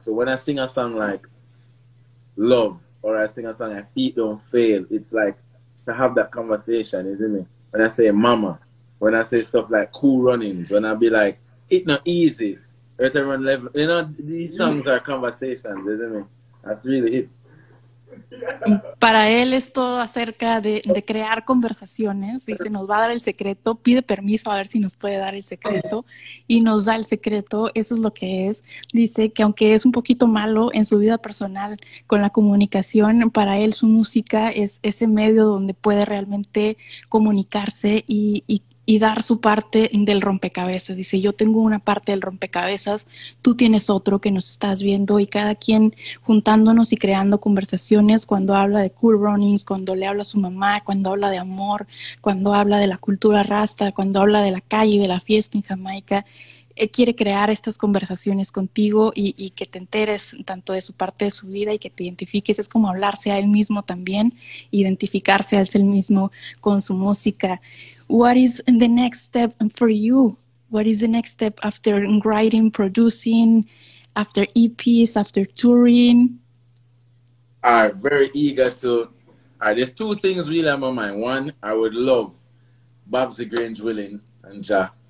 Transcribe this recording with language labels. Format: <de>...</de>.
<en>So when I sing a song like Love, or I sing a song, like Feet Don't Fail, it's like to have that conversation, isn't it? When I say Mama, when I say stuff like Cool Runnings, when I be like, it's not easy, Earth Everyone Level, you know, these songs are conversations, isn't it? That's really it.</en> <es>Para él es todo acerca de crear conversaciones. Dice, nos va a dar el secreto, pide permiso a ver si nos puede dar el secreto, y nos da el secreto. Eso es lo que es. Dice que aunque es un poquito malo en su vida personal con la comunicación, para él su música es ese medio donde puede realmente comunicarse y dar su parte del rompecabezas. Dice, yo tengo una parte del rompecabezas, tú tienes otro que nos estás viendo, y cada quien juntándonos y creando conversaciones, cuando habla de Cool Runnings, cuando le habla a su mamá, cuando habla de amor, cuando habla de la cultura rasta, cuando habla de la calle y de la fiesta en Jamaica, quiere crear estas conversaciones contigo y que te enteres tanto de su parte de su vida y que te identifiques. Es como hablarse a él mismo también, identificarse a él mismo con su música.</es> <en>What is the next step for you? What is the next step after writing, producing, after EPs, after touring? I'm very eager to. There's two things really on my mind. One, I would love Babsy Grange Willing and Ja.</en>